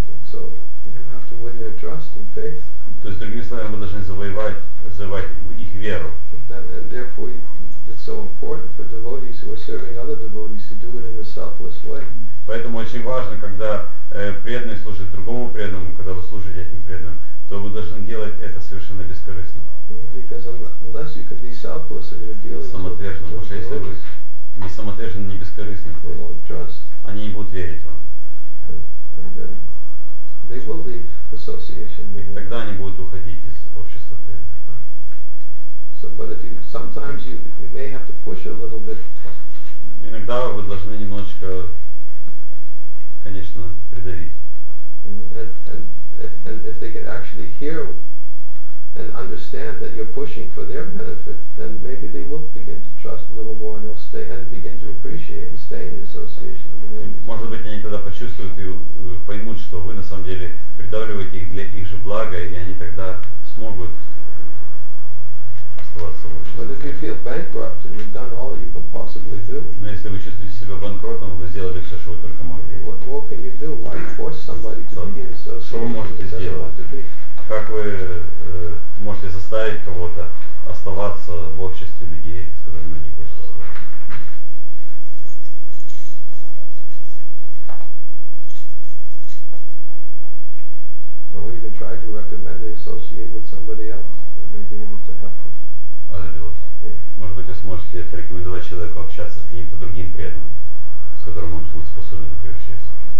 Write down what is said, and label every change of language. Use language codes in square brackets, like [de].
[en] So you have to win their trust and faith. [ru] То есть, другими словами, мы должны завоевать их веру. [en] And therefore, it's so important for devotees who are serving other devotees to do it in a selfless way. [ru] Поэтому очень важно, когда преданный служит другому преданному, когда вы служите этим преданным, то вы должны делать это совершенно бескорыстно. [en] Because unless you can be selfless and you're dealing [ru] самоотверженно, [en] with [ru] потому что если вы не самоотверженны, не бескорыстны, [en] they won't trust. [ru] Они не будут верить вам. [en] They will leave association. [ru] И тогда они будут уходить из общества преданных. [en] So, but if you, sometimes you may have to push a little bit. [ru] Иногда вы должны немножечко, конечно, придавить. [en] And if they can actually hear and understand that you're pushing for their benefit, then maybe they will begin to trust a little more, and they'll stay and begin to appreciate and stay in the association. [ru] Может быть, они тогда почувствуют и поймут, что вы на самом деле придавливаете их для их же блага, и они тогда смогут оставаться в обществе. [en] But if you feel bankrupt and you've done all that you can possibly do, [ru] но если вы чувствуете себя банкротом, вы сделали все, что вы только могли. [en] What can you do? Why force somebody to be in the association? [ru] Что вы можете сделать? Как вы можете заставить кого-то оставаться в обществе людей, с которыми они хотят оставаться? [en] Well, we even tried to recommend they associate with somebody else, and maybe able to help them. [ru] Может быть, вы сможете порекомендовать человеку общаться с каким-то другим преданным, с которым он будет способен идти общаться.